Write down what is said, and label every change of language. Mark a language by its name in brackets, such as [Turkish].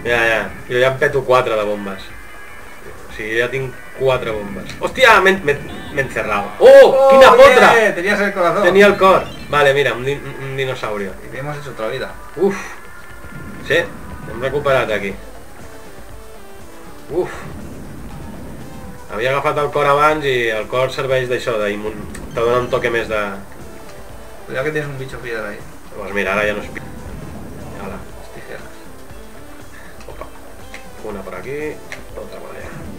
[Spanish] Ya, ya. Yo ya peto 4 de bombas. Sí, yo ya tengo 4 bombas. ¡Hostia! Me he encerrado. ¡Oh! [Catalan] ¡Quina potra! [Spanish] Tenías el corazón. Tenía el cor. Vale, mira, un dinosaurio. Y hemos hecho otra vida. Uf. Sí, hemos recuperado aquí. Uf. [Catalan] Havia agafat el cor abans i el cor serveix d'això, d'immun... [Spanish] Te dona un toque més de... Cuidado que tienes un bicho piedra ahí. [Catalan] Pues mira, ara ja no es pica. Hola. [Spanish] Les tijeras. Opa. Una por aquí, otra por allá.